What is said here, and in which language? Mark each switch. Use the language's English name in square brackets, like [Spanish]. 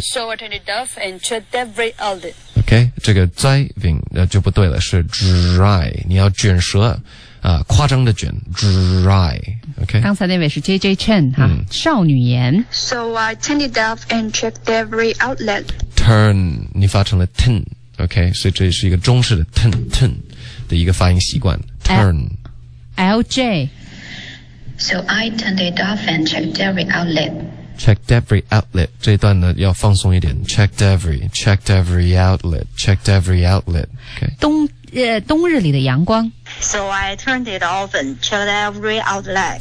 [English] So I turned it off and checked every outlet. [Chinese] OK, 这个 driving 就不对了，是 dry, 你要卷舌。夸张的卷 dry, OK? 刚才那位是 JJ Chen, 哈、少女言。 [English] So I turned it off and checked every outlet. [Chinese] Turn, 你发成了 ten, OK? 所以这是一个中式的 ten 的一个发音习惯。 [English] Turn. LJ. So I turned it off and checked every outlet. Checked every outlet. [Chinese] 这一段呢要放松一点。 [English] Checked every outlet. OK? [Chinese] 冬日里的阳光。 [English] So I turned it off and checked every outlet.